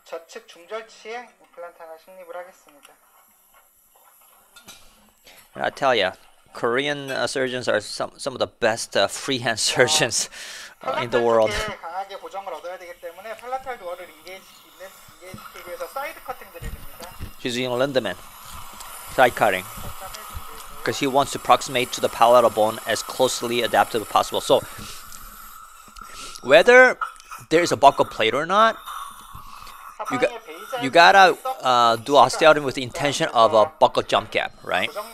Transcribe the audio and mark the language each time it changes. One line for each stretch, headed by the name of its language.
Korean: 좌측 중절치에 임플란트 하나 식립을 하겠습니다.
English: And I tell ya, Korean surgeons are some of the best freehand surgeons in the world.
Korean: 강하게 고정을 얻어야 되기 때문에 팔라탈 도어를 인게이지시키기 위해서 사이드 커팅을 드립니다.
English: She's using Lindemann, side cutting. Because he wants to approximate to the palatal bone as closely adapted as possible. So, whether there is a buccal plate or not, You gotta do osteotomy with the intention of a buccal jump gap, right?